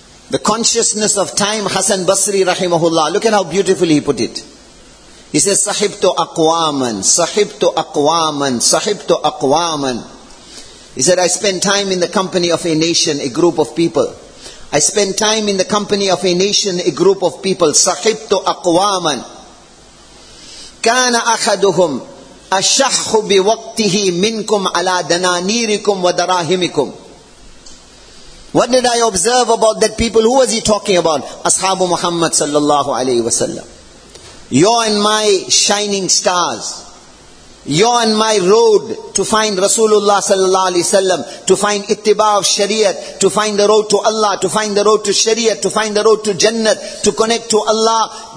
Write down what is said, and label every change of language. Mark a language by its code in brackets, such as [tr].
[en] The consciousness of time, Hassan Basri rahimahullah, look at how beautifully he put it. He says, Sahibtu aqwaman, sahibtu aqwaman, sahibtu aqwaman. He said, I spend time in the company of a nation, a group of people. I spend time in the company of a nation, a group of people. Sahibtu aqwaman. [ar] كان أحدهم أشح بوقته منكم على دنانيركم ودراهمكم [en] What did I observe about that people? Who was he talking about? Ashabu Muhammad sallallahu alayhi wa sallam. You're in my shining stars. You're on my road to find Rasulullah sallallahu alaihi wasallam, to find ittiba of Shariat, to find the road to Allah, to find the road to Shariat, to find the road to Jannah, to connect to Allah.